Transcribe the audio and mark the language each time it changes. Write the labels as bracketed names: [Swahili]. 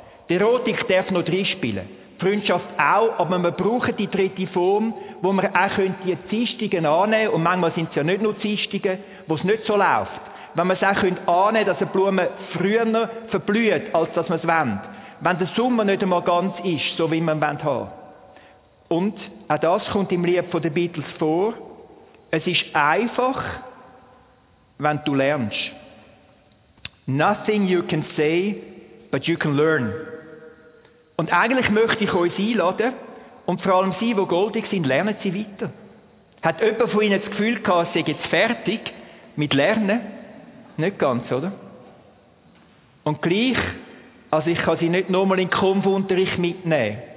[German] Die Erotik darf noch drin spielen. Die Freundschaft auch, aber wir brauchen die dritte Form, wo wir auch die Zistungen annehmen können. Und manchmal sind es ja nicht nur Zistungen, wo es nicht so läuft. Wenn wir es auch annehmen können, dass eine Blume früher verblüht, als dass wir es wollen. wenn der Sommer nicht einmal ganz ist, so wie man haben will. Und auch das kommt im Lied von den Beatles vor. Es ist einfach, wenn du lernst. [English] Nothing you can say, but you can learn. [German] Und eigentlich möchte ich euch einladen, und vor allem sie, die goldig sind, lernen sie weiter. Hat jemand von ihnen das Gefühl gehabt, sie sind jetzt fertig mit Lernen? Nicht ganz, oder? Und gleich, also ich kann sie nicht nochmal in den Konfunterricht mitnehmen.